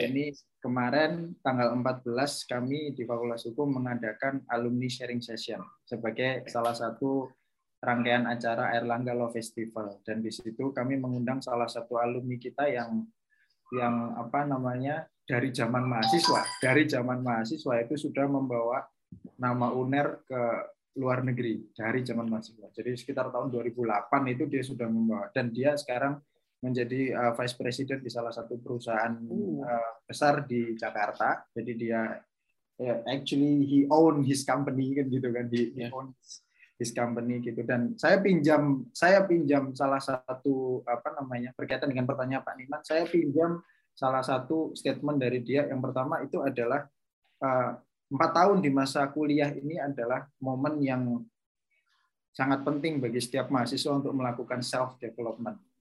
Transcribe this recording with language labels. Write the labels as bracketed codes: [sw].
[id] Ini kemarin tanggal 14 kami di Fakultas Hukum mengadakan alumni sharing session sebagai salah satu rangkaian acara Airlangga Law Festival, dan di situ kami mengundang salah satu alumni kita yang apa namanya dari zaman mahasiswa itu sudah membawa nama UNAIR ke luar negeri dari zaman mahasiswa. Jadi sekitar tahun 2008 itu dia sudah membawa, dan dia sekarang menjadi vice president di salah satu perusahaan besar di Jakarta. Jadi dia [en] actually he own his company [id] kan gitu kan, [en] own his company [id] gitu. Dan saya pinjam salah satu apa namanya berkaitan dengan pertanyaan Pak Niman, saya pinjam salah satu statement dari dia. Yang pertama itu adalah 4 tahun di masa kuliah ini adalah momen yang sangat penting bagi setiap mahasiswa untuk melakukan self-development.